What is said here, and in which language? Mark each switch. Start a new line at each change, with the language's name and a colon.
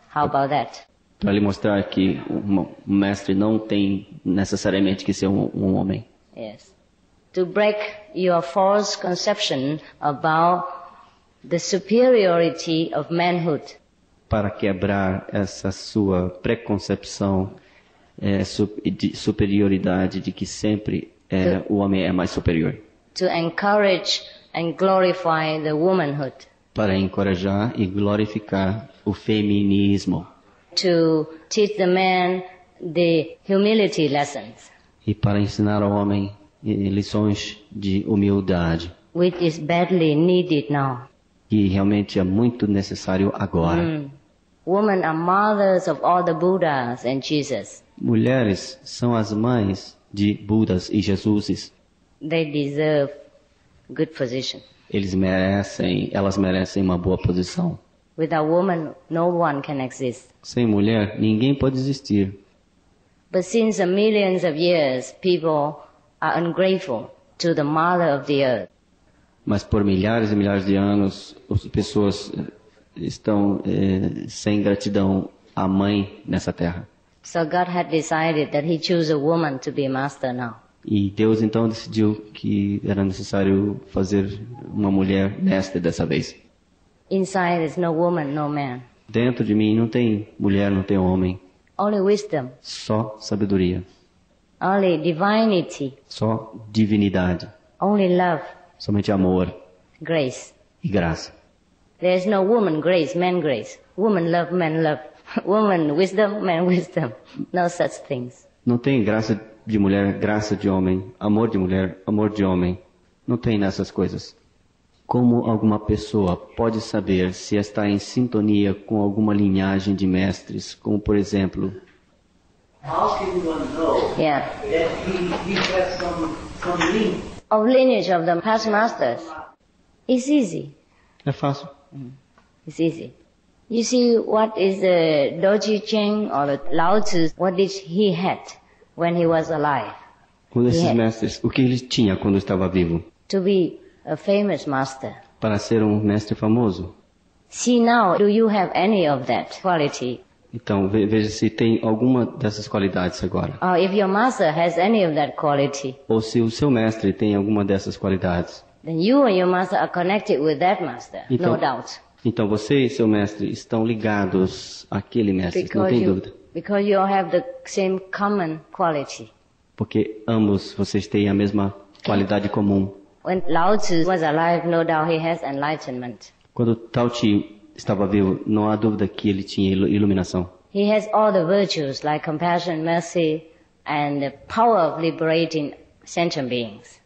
English: How about that?
Portuguese: Para lhe mostrar que um mestre não tem necessariamente que ser um homem.
English: Yes. To break your false conception about the superiority of manhood.
Portuguese: Para quebrar essa sua preconcepção de superioridade, de que sempre o homem é mais superior.
English: To encourage and glorify the womanhood.
Portuguese: Para encorajar e glorificar o feminismo.
English: To teach the man the humility lessons.
Portuguese: E para ensinar ao homem lições de humildade.
English: Which is badly needed now.
Portuguese: Que realmente é muito necessário agora. Mm.
English: Women are mothers of all the Buddhas and Jesus.
Portuguese: Mulheres são as mães de Budas e Jesuses.
English: They deserve good position.
Portuguese: Elas merecem uma boa posição.
English: Without woman, no one can exist.
Portuguese: Sem mulher, ninguém pode existir.
English: But since millions of years, people are ungrateful to the mother of the earth.
Portuguese: Mas por milhares e milhares de anos, as pessoas estão sem gratidão à mãe nessa terra.
English: So God had decided that he chose a woman to be master now.
Portuguese: E Deus então decidiu que era necessário fazer uma mulher mestre dessa vez.
English: Inside is no woman, no man.
Portuguese: Dentro de mim não tem mulher, não tem homem.
English: Only wisdom.
Portuguese: Só sabedoria.
English: Only divinity.
Portuguese: Só divindade.
English: Only love.
Portuguese: Somente amor.
English: Grace.
Portuguese: E graça.
English: There is no woman grace, man grace. Woman love, man love. Woman wisdom, man wisdom. No such things.
Portuguese: Não tem graça de mulher, graça de homem, amor de mulher, amor de homem. Não tem nessas coisas. Como alguma pessoa pode saber se está em sintonia com alguma linhagem de mestres, como por exemplo?
English: How can one know that he has some lineage? Of lineage of the past masters. It's easy.
Portuguese: É fácil.
English: It's easy. You see, what is the Dorje Cheng or the Lao Tzu, what did he had when he was alive?
Portuguese: Um desses mestres, o que ele tinha quando estava vivo?
English: To be a famous master.
Portuguese: Para ser um mestre famoso.
English: See now, do you have any of that quality?
Portuguese: Então, veja se tem alguma dessas qualidades agora.
English: Or if your master has any of that quality.
Portuguese: Ou se o seu mestre tem alguma dessas qualidades.
English: Then you and your master are connected with that master,
Portuguese: então,
English: no doubt.
Portuguese: Então você e seu mestre estão ligados àquele mestre,
English: because
Portuguese: não tem dúvida.
English: Because you all have the same common quality.
Portuguese: Porque ambos vocês têm a mesma qualidade comum.
English: When Lao Tzu was alive, no doubt he has enlightenment.
Portuguese: Quando Tao Ti estava vivo, não há dúvida que ele tinha iluminação.
English: He has all the virtues like compassion, mercy, and the power of liberating sentient beings.